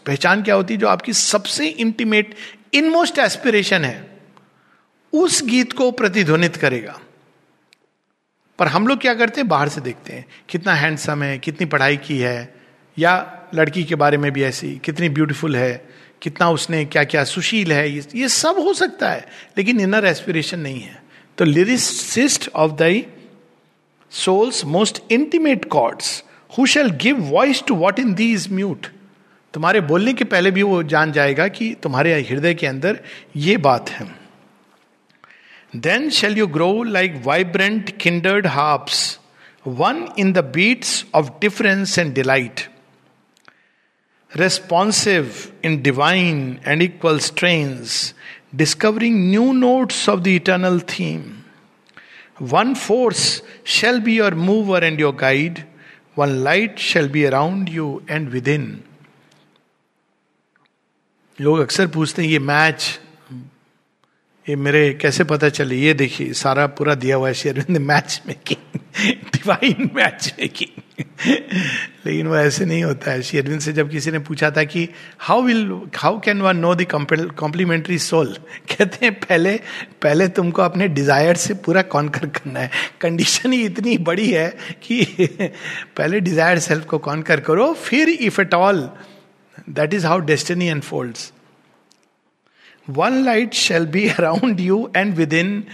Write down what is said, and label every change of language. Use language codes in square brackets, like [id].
[hi] पहचान क्या होती, जो आपकी सबसे इंटीमेट इनमोस्ट एस्पिरेशन है उस गीत को प्रतिध्वनित करेगा। पर हम लोग क्या करते हैं, बाहर से देखते हैं कितना हैंडसम है, कितनी पढ़ाई की है, या लड़की के बारे में भी ऐसी कितनी ब्यूटीफुल है, कितना उसने क्या क्या सुशील है, ये सब हो सकता है लेकिन इनर एस्पिरेशन नहीं है। तो [en] The lyricist of thy soul's most intimate chords, who shall give voice to what in thee is mute? [hi] तुम्हारे बोलने के पहले भी वो जान जाएगा कि तुम्हारे हृदय के अंदर ये बात है. [en] Then shall you grow like vibrant kindred harps, one in the beats of difference and delight, responsive in divine and equal strains, discovering new notes of the eternal theme. One force shall be your mover and your guide, one light shall be around you and within. [hi] लोग अक्सर पूछते हैं ये match, ये मेरे कैसे पता चले, ये देखिए सारा पूरा दिया हुआ है Shri Arvind match making, divine match making. लेकिन वो ऐसे नहीं होता है. श्री अरविंद से जब किसी ने पूछा था कि [en] how can one know the complementary soul, [hi] कहते हैं पहले तुमको अपने डिजायर से पूरा कॉन्कर करना है. कंडीशन ही इतनी बड़ी है कि पहले डिजायर सेल्फ को कॉन्कर करो, फिर if at all. [en] That is how destiny unfolds. One light shall be around you and within.